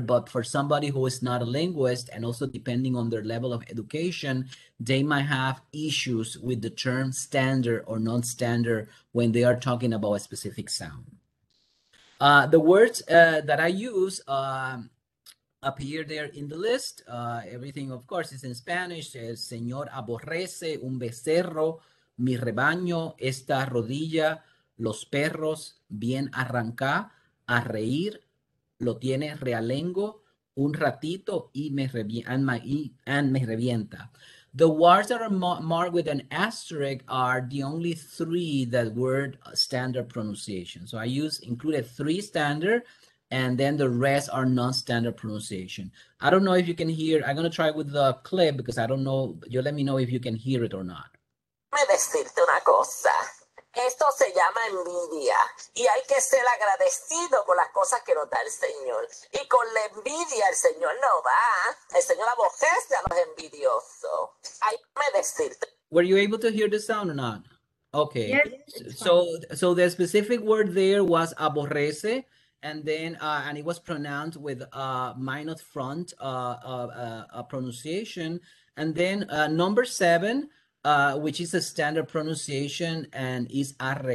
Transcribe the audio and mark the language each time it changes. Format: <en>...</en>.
<en>But for somebody who is not a linguist, and also depending on their level of education, they might have issues with the term standard or non-standard when they are talking about a specific sound. The words that I use appear there in the list. Everything, of course, is in Spanish.</en> <es>El señor aborrece un becerro, mi rebaño, esta rodilla, los perros, bien arranca, a reír, lo tiene realengo, un ratito, y me revienta.</es> <en>The words that are marked with an asterisk are the only three that were standard pronunciation. So I included three standard, and then the rest are non-standard pronunciation. I don't know if you can hear. I'm going to try with the clip because I don't know. You let me know if you can hear it or not.</en> <es>Me decirte una cosa. Esto se llama envidia. Y hay que ser agradecido con las cosas que nos da el Señor. Y con la envidia el Señor no va. El Señor aborrece a los envidiosos. Ay, me decirte.</es> <en>Were you able to hear the sound or not? Okay. Yes, so the specific word there was aborrece. And then, and it was pronounced with a minus front pronunciation. And then number seven, which is a standard pronunciation and is arre.</en>